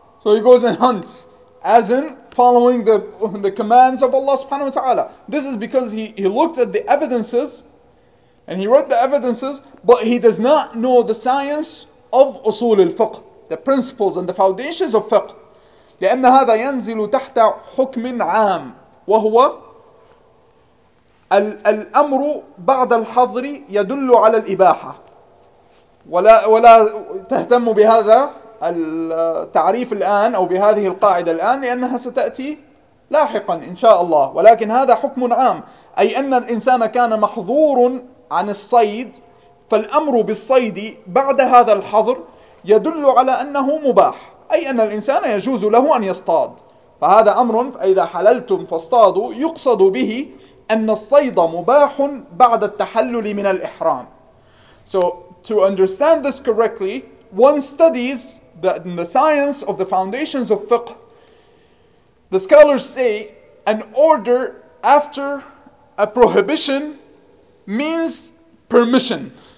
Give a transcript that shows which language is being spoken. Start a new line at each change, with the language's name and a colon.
English: So he goes and hunts, as in following the commands of Allah subhanahu wa ta'ala. This is because he looked at the evidences, and he wrote the evidences, but he does not know the science of أصول الفقه, the principles and the foundations of fiqh.
Arabic: لأن هذا ينزل تحت حكم عام وهو الأمر بعد الحظر يدل على الإباحة. ولا تهتم بهذا التعريف الآن أو بهذه القاعدة الآن لأنها ستأتي لاحقا إن شاء الله، ولكن هذا حكم عام، أي أن الإنسان كان محظور عن الصيد فالأمر بالصيد بعد هذا الحظر يدل على أنه مباح، أي أن الإنسان يجوز له أن يصطاد، فهذا أمر فإذا حللتم فاصطادوا يقصد به أن الصيد مباح بعد التحلل من الإحرام.
English: So to understand this correctly, one studies that in the science of the foundations of fiqh, the scholars say an order after a prohibition means permission.